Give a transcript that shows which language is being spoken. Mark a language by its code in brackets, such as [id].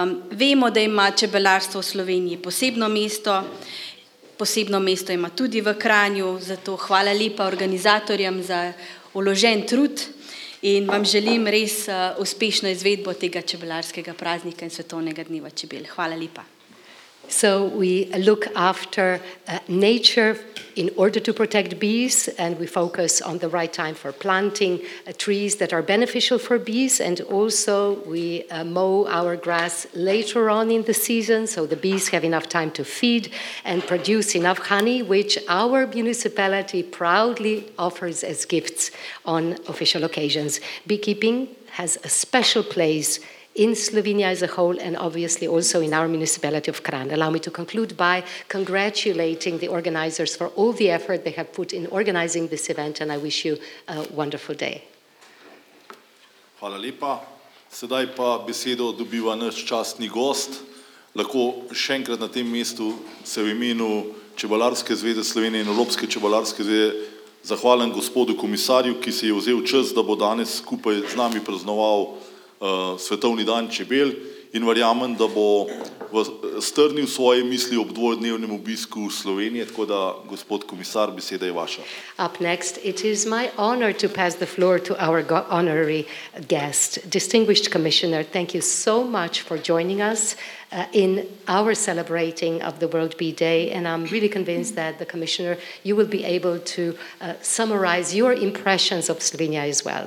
[sl] Vemo, da ima čebelarstvo v Sloveniji posebno mesto. Posebno mesto ima tudi v Kranju, zato hvala lepa organizatorjem za vložen trud In vam želim res uspešno izvedbo tega čebelarskega praznika in svetovnega dneva čebel. Hvala lepa. [en] So we look after nature in order to protect bees, and we focus on the right time for planting trees that are beneficial for bees, and also we mow our grass later on in the season so the bees have enough time to feed and produce enough honey, which our municipality proudly offers as gifts on official occasions. Beekeeping has a special place in Slovenia as a whole, and obviously also in our municipality of Kranj. Allow me to conclude by congratulating the organizers for all the effort they have put in organizing this event, and I wish you a wonderful day. [sl] Hvala lepa. Sedaj pa besedo dobiva naš častni gost. Lahko še enkrat na tem mestu se v imenu Čebelarske zveze Slovenije in Evropske čebelarske zveze zahvalim gospodu komisarju, ki se je vzel čas, da bo danes skupaj z nami praznoval svetovni dan čebel, in verjamem, da bo strnil svoje misli ob dvodnevnem obisku Slovenije, tako da, gospod komisar, beseda je vaša. [en] Up next, it is my honor to pass the floor to our honorary guest, distinguished commissioner. Thank you so much for joining us in our celebrating of the World Bee Day, and I'm really convinced that the commissioner, you will be able to summarize your impressions of Slovenia as well.